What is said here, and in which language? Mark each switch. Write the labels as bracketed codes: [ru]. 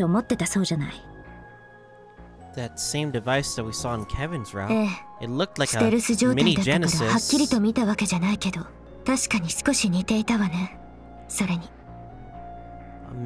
[ja] まがいものめいた気がした。うつろなまがいもの。まあ、あんたの嗅覚だったら結構的を射てるんじゃないの？まがいものといえば、あのイクスって子、何かの装置を持ってたそうじゃない。 [en] That same device that we saw in Kevin's route. It looked like a mini Genesis. [ja] ステルス状態だったからはっきりと見たわけじゃないけど、確かに少し似ていたわね。それに。 [en] A